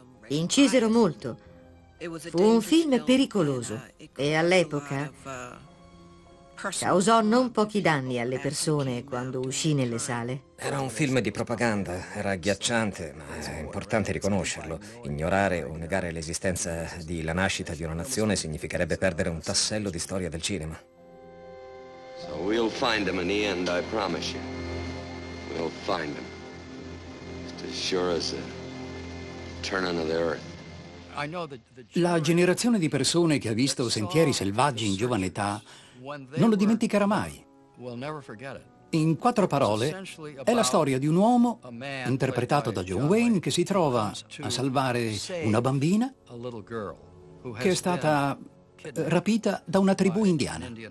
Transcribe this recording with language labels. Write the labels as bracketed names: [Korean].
[Italian] Incisero molto. Fu un film pericoloso e all'epoca causò non pochi danni alle persone quando uscì nelle sale. Era un film di propaganda, era agghiacciante, ma è importante riconoscerlo. Ignorare o negare l'esistenza di la nascita di una nazione significherebbe perdere un tassello di storia del cinema. [English] So we'll find him in the end, I promise you. We'll find him. Just as sure as the turning of the earth. [Italian] La generazione di persone che ha visto Sentieri selvaggi in giovane età non lo dimenticherà mai. In quattro parole, è la storia di un uomo, interpretato da John Wayne, che si trova a salvare una bambina che è stata rapita da una tribù indiana.